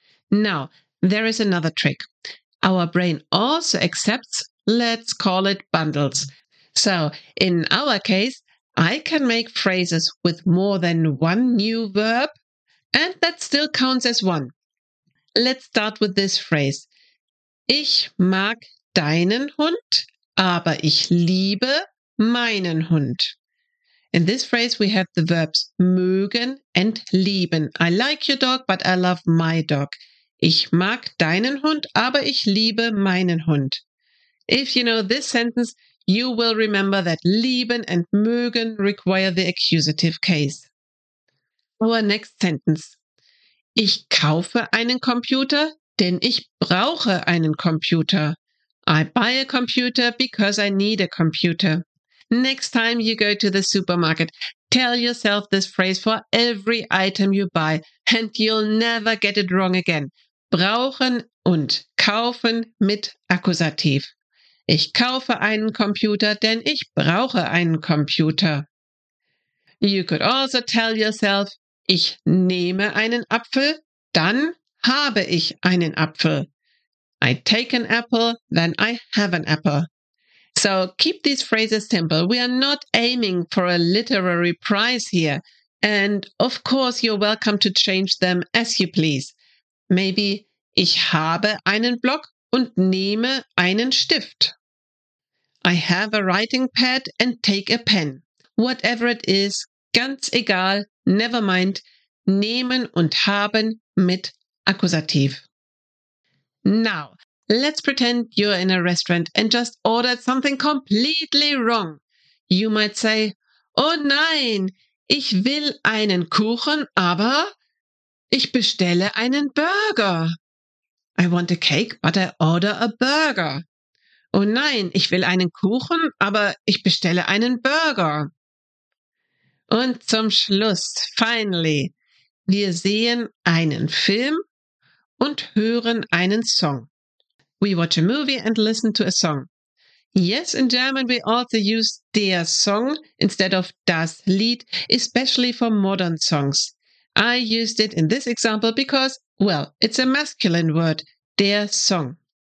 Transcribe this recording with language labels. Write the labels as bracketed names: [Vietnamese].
[English] Now, there is another trick. Our brain also accepts Let's call it bundles. So in our case, I can make phrases with more than one new verb, and that still counts as one. Let's start with this phrase. [German] Ich mag deinen Hund, aber ich liebe meinen Hund. [English] In this phrase, we have the verbs mögen and lieben. I like your dog, but I love my dog. [German] Ich mag deinen Hund, aber ich liebe meinen Hund. [English] If you know this sentence, you will remember that lieben and mögen require the accusative case. Our next sentence. [German] Ich kaufe einen Computer, denn ich brauche einen Computer. [English] I buy a computer because I need a computer. Next time you go to the supermarket, tell yourself this phrase for every item you buy and you'll never get it wrong again. [German] Brauchen und kaufen mit Akkusativ. Ich kaufe einen Computer, denn ich brauche einen Computer. [English] You could also tell yourself, [German] ich nehme einen Apfel, dann habe ich einen Apfel. [English] I take an apple, then I have an apple. So keep these phrases simple. We are not aiming for a literary prize here. And of course, you're welcome to change them as you please. [German] Maybe ich habe einen Block und nehme einen Stift. [English] I have a writing pad and take a pen. Whatever it is, [German] ganz egal, [English] never mind, [German] nehmen und haben mit Akkusativ. [English] Now, let's pretend you're in a restaurant and just ordered something completely wrong. You might say, [German] oh nein, ich will einen Kuchen, aber ich bestelle einen Burger. [English] I want a cake, but I order a burger. [German] Oh nein, ich will einen Kuchen, aber ich bestelle einen Burger. Und zum Schluss, [English] finally, [German] wir sehen einen Film und hören einen Song. [English] We watch a movie and listen to a song. Yes, in German we also use der Song instead of das Lied, especially for modern songs. I used it in this example because, well, it's a masculine word, der Song.